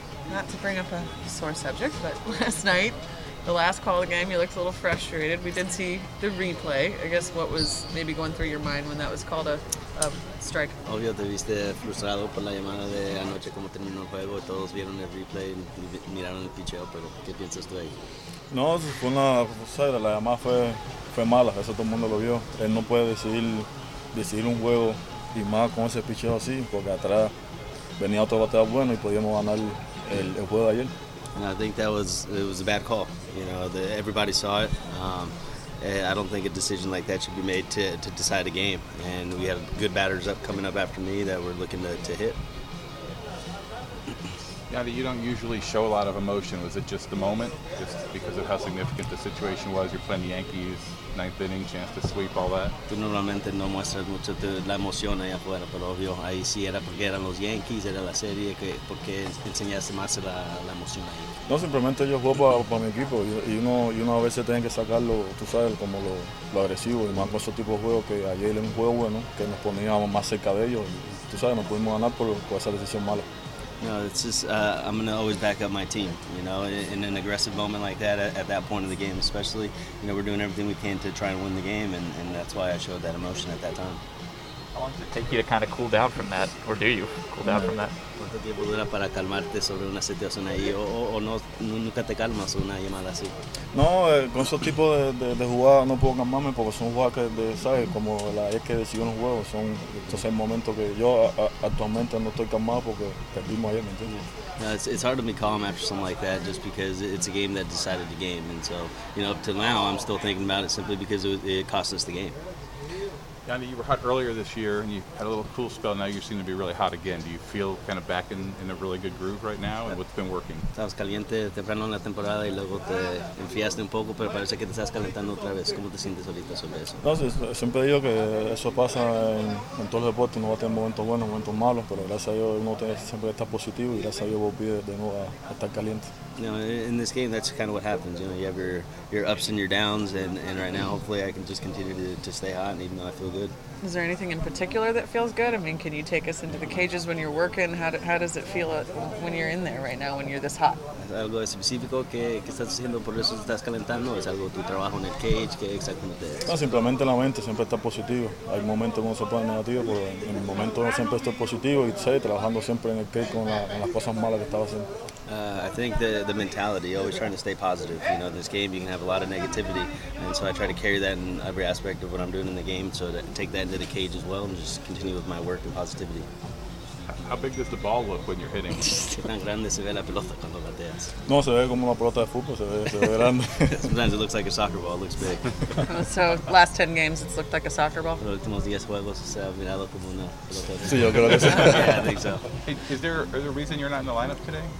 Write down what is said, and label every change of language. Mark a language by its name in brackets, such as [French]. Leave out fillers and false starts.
[English] Not to bring up a sore subject, but last night, the last call of the game, you looked a little frustrated. We did see the replay. I guess what was maybe going through your mind when that was called a strike? [Spanish] Obvio, te viste frustrado por la llamada de anoche, como terminó el juego. Todos vieron el replay y miraron el picheo, pero ¿qué piensas tú ahí? No, fue una frustración. La llamada fue mala. Eso todo el mundo lo vio. Él no puede decidir un juego y más con ese picheo así, porque atrás venía otro bateador bueno y podíamos ganar el juego de ayer. [English] And I think it was a bad call. You know, everybody saw it. I don't think a decision like that should be made to decide a game. And we had good batters coming up after me that were looking to hit. Yandy, you don't usually show a lot of emotion. Was it just the moment, just because of how significant the situation was? You're playing the Yankees, ninth inning, chance to sweep, all that. [Spanish] Tú normalmente no muestras mucho la emoción allá afuera, pero obvio, ahí sí era porque eran los Yankees, era la serie, porque enseñaste más la emoción ahí. No, simplemente yo juego para mi equipo y uno a veces tiene que sacarlo, tú sabes, como lo agresivo, y más con esos tipos de juegos que ayer en un juego bueno, que nos poníamos más cerca de ellos, y, tú sabes, nos pudimos ganar por esa decisión mala. [English] No, it's just I'm going to always back up my team, you know, in an aggressive moment like that, at that point of the game especially. You know, we're doing everything we can to try and win the game, and that's why I showed that emotion at that time. How long did it take you to kind of cool down from that, or do you cool down from that? [Spanish] ¿Cuánto tiempo dura para calmarte sobre una situación ahí, o no, nunca te calmas una llamada así? No, con esos tipos de jugadas no puedo calmarme, porque son jugadas que, ¿sabes? Como la vez que decidió un juego, son esos momentos que yo actualmente no estoy calmado porque perdimos ayer, ¿me entiendes? [English] No, it's hard to be calm after something like that, just because it's a game that decided the game. And so, you know, up to now, I'm still thinking about it simply because it cost us the game. Yandy, you were hot earlier this year, and you had a little cool spell. Now you seem to be really hot again. Do you feel kind of back in a really good groove right now, and what's been working? [Spanish] Estabas caliente temprano en la temporada, y luego te enfriaste un poco, pero parece que te estás calentando otra vez. ¿Cómo te sientes ahorita sobre eso? No, siempre digo que eso pasa en todos los deportes. Uno va a tener momentos buenos, momentos malos, pero gracias a Dios uno siempre está positivo, y gracias a Dios volví de nuevo a estar caliente. [English] No, in this game, that's kind of what happens. You know, you have your ups and your downs, and right now, hopefully, I can just continue to stay hot, and even though I feel good. Is there anything in particular that feels good? I mean, can you take us into the cages when you're working? How does it feel when you're in there right now, when you're this hot? [Spanish] ¿Es algo específico que estás haciendo, por eso estás calentando? ¿Es algo tu trabajo en el cage? ¿Qué exactamente es? No, simplemente la mente siempre está positiva. Hay momentos cuando se pone negativo, pero en el momento siempre estoy positivo y sé, trabajando siempre en el cage con las cosas malas que estaba haciendo. [English] I think the mentality, always trying to stay positive. You know, in this game, you can have a lot of negativity, and so I try to carry that in every aspect of what I'm doing in the game, so to take that into the cage as well, and just continue with my work and positivity. How big does the ball look when you're hitting? [Spanish] ¿Qué tan grande se ve la pelota cuando bateas? No, se ve como una pelota de fútbol, se ve grande. [English] Sometimes it looks like a soccer ball, it looks big. So, last 10 games, it's looked like a soccer ball? [Spanish] Los últimos 10 juegos se ha mirado como una pelota de fútbol. Sí, yo creo que sí. [English] Yeah, I think so. Hey, is there a reason you're not in the lineup today?